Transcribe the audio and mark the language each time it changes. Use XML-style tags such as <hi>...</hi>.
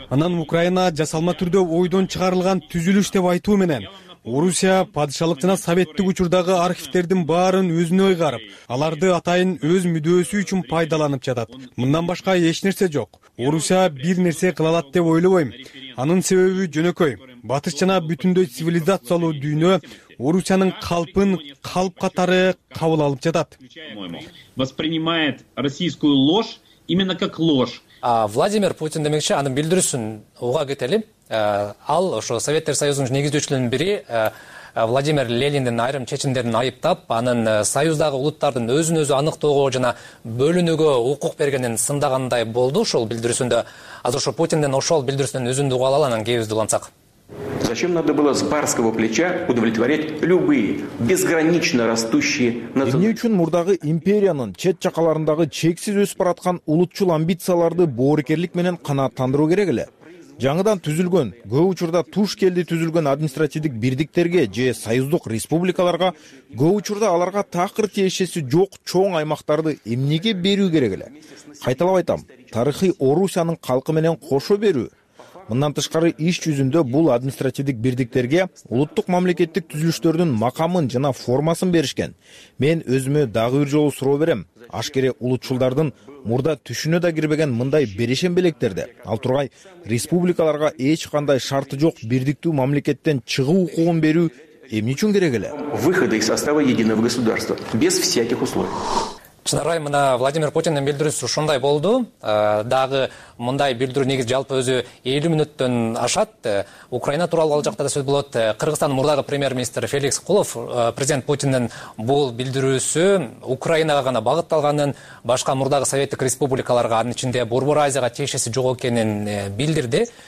<ky>Анан Украина жасалма түрдө ойдон чыгарылган түзүлүш деп айтуу менен Орусия падышалык жана советтик учурдагы архивтердин баарын өзүнө ыйгарып, аларды атайын өз мүдөөсү үчүн пайдаланып жатат. Мындан башка эч нерсе жок. Орусия бир нерсе кыла алат деп ойлобойм. Анын себеби жөнөкөй. Батыш жана бүтүндөй цивилизациялуу дүйнө Орусиянын калпын калп катары кабыл алып жатат.</ky> <ru>Воспринимает российскую ложь именно как ложь.</ru> <ky>Владимир Путин демекчи, анын билдирүүсүн уга кетели. Ал ошо Советтер Союзунун негиздөөчүлөрүнүн бири, Владимир Лениндин айрым чечимдерин айыптап, анын союздагы улуттардын өзүн өзү аныктоого жана бөлүнүүгө укук бергенин сындагандай болду ошол билдирүүсүндө. Азыр ошо Путиндин ошол билдирүүсүнүн үзүндүгү алалы, анан кебизди улантсак.</ky> <ru>Зачем надо было с барского плеча удовлетворять любые безгранично растущие национальные?</ru> <ky>Эмне үчүн мурдагы империянын чет жакаларындагы чексиз өсүп бараткан улутчул амбицияларды боорукерлик менен канааттандыруу керек эле? Жаңыдан түзүлгөн, көп учурда туш келди түзүлгөн административдик бирдиктерге же союздук республикаларга, көп учурда аларга такыр тиешеси жок чоң аймактарды эмнеге берүү керек эле? Кайталап айтам, тарыхый Орусиянын калкы менен кошо берүү. Мындан тышкары иш жүзүндө бул административдик бирдиктерге улуттук мамлекеттик түзүлүштөрдүн макамын жана формасын беришкен. Мен өзүмө дагы бир жолу суроо берем. Ашкере улутчулдардын мурда түшүнө да кирбеген мындай берешембелектерди, ал тургай республикаларга эч кандай шарты жок бирдиктүү мамлекеттен чыгуу укугун берүү эмне үчүн керек эле?</ky> <ru>Выхода из состава единого государства без всяких условий.</ru> <ky>Чынарай, мына Владимир Путиндин билдирүүсү ушундай болду. Дагы мындай билдирүү негизи жалпы өзү 50 мүнөттөн ашат. Украина тууралуу ал жакта да сөз болот. Кыргызстандын мурдагы премьер-министр Феликс Кулов президент Путиндин бул билдирүүсү Украинага гана багытталганын, башка мурдагы советтик республикаларга, анын ичинде Борбор Азияга тиешеси жок экенин билдирди.</ky>